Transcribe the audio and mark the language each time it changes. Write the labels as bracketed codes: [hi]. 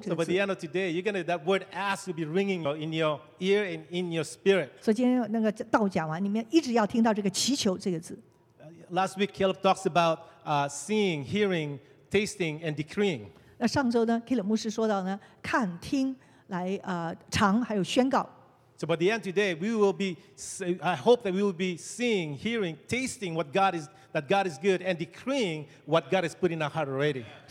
[en] So by the end of today, that word ask will be ringing in your ear and in your spirit. [zh] 所以今天那个道讲完，你们一直要听到这个祈求这个字。 [en] Last week, Caleb talks about seeing, hearing, tasting, and decreeing. [zh] 那上周呢， Caleb 牧师说到呢，看、听、来、尝，还有宣告。 [en] So by the end of today, I hope that we will be seeing, hearing, tasting that God is good and decreeing what God has put in our heart already.